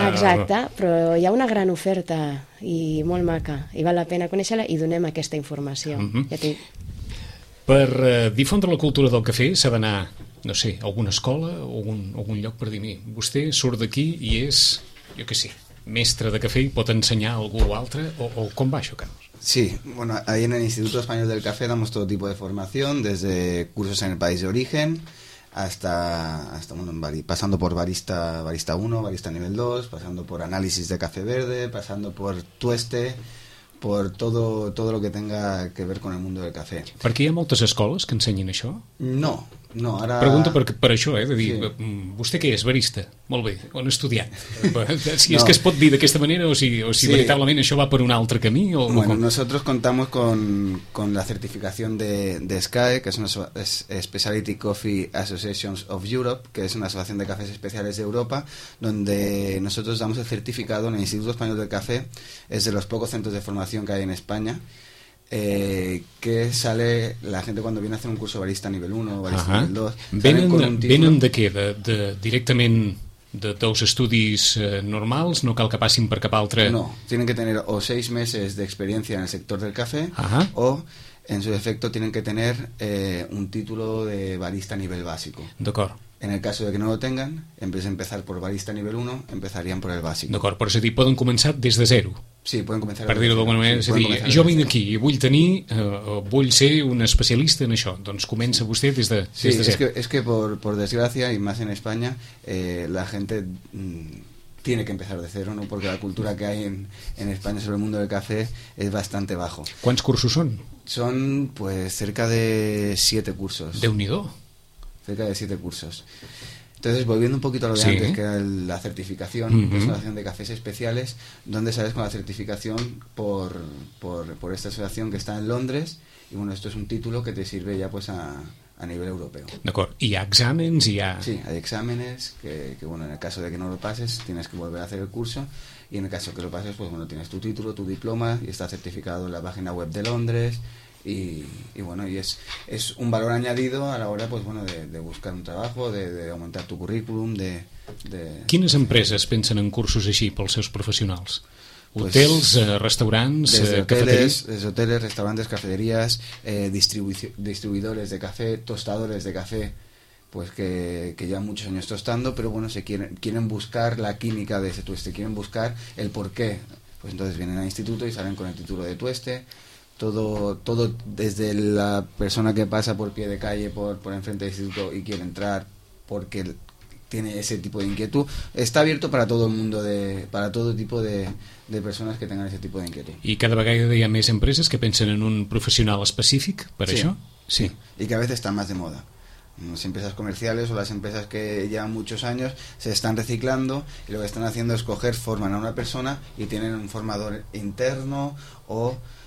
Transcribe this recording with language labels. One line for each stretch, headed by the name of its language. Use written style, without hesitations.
Catalan: Exacte, però hi ha una gran oferta i molt maca, i val la pena conèixer-la i donem aquesta informació. Ja tinc... Per difondre la cultura del cafè s'ha d'anar, no sé, a alguna escola o algun lloc per dir-me. Vostè surt d'aquí i és, jo què sé, mestre de cafè i pot ensenyar a algú o altre? O com va això, Carlos?
Spanish: Sí, bueno, ahí en el Instituto Español del Café damos todo tipo de formación, desde cursos en el país de origen hasta bueno, pasando por barista 1, barista nivel 2, pasando por análisis de café verde, pasando por tueste... por todo lo que tenga que ver con el mundo del café.
Catalan: Perquè hi ha moltes escoles que ensenyin això? No, ara... Pregunto per això, de dir, sí. Vostè què és, barista? Molt bé, on ha estudiat? Si no. És que es pot dir d'aquesta manera o si sí. Veritablement això va per un altre camí? O, bueno, o com...
Spanish: nosotros contamos con la certificación de SCAE, que es una Specialty Coffee Associations of Europe, que es una asociación de cafés especiales de Europa, donde nosotros damos el certificado en el Instituto Español del Café, es de los pocos centros de formación que hay en España, que sale la gente cuando viene a hacer un curso barista nivel 1 o barista nivel 2.
Catalan: Venen de què? Directament de dos estudis normals? No cal que passin per cap altre?
Spanish: No, tienen que tener o 6 meses de experiencia en el sector del café. Ajá. O en su defecto tienen que tener un título de barista nivel básico.
Catalan: D'acord.
Spanish: En el caso de que no lo tengan, en vez de empezar por barista nivel 1, empezarían por el básico.
Catalan: D'acord, però és a dir, poden començar des de zero. Sí, poden començar. Per dir-ho d'alguna manera, sí, és a dir, jo vinc aquí i vull tenir, vull ser un especialista en això. Doncs comença vostè des de zero.
Spanish: Sí,
Catalan: és que
Spanish: por desgracia, y más en España, la gente tiene que empezar de zero, ¿no? Porque la cultura que hay en España sobre el mundo del café es bastante bajo.
Catalan: Quants cursos són?
Spanish: Son, pues, cerca de 7 cursos.
Catalan: Déu-n'hi-do.
Spanish: Cerca de 7 cursos. Entonces, volviendo un poquito a lo de antes, que era la certificación, la asociación de cafés especiales, ¿dónde sales con la certificación? Por esta asociación que está en Londres, y bueno, esto es un título que te sirve ya pues a nivel europeo.
Catalan: D'acord,
Spanish: ¿y a exámenes? Sí, hay exámenes, que bueno, en el caso de que no lo pases, tienes que volver a hacer el curso, y en el caso que lo pases, pues bueno, tienes tu título, tu diploma, y está certificado en la página web de Londres, y bueno, y es un valor añadido a la hora, pues bueno, de buscar un trabajo, de aumentar tu currículum, de...
Catalan: Quines empreses pensen en cursos així pels seus professionals? Hotels, pues, restaurants, cafeteries? Des hotels, restaurants, cafeteries, distribuïdors de cafè,
Spanish: tostadors de cafè, pues que llevan muchos años tostando, pero bueno, se quieren buscar la química de ese tueste, quieren buscar el porqué, pues entonces vienen al instituto y salen con el título de tueste. Todo desde la persona que pasa por pie de calle por enfrente del instituto y quiere entrar porque tiene ese tipo de inquietud, está abierto para todo el mundo, para todo tipo de personas que tengan ese tipo de inquietud.
Catalan: I cada vegada hi ha més empreses que pensen en un professional específic per això? Sí.
Spanish: I que a veces está más de moda. Las empresas comerciales o las empresas que llevan muchos años se están reciclando y lo que están haciendo es coger, forman a una persona y tienen un formador interno o...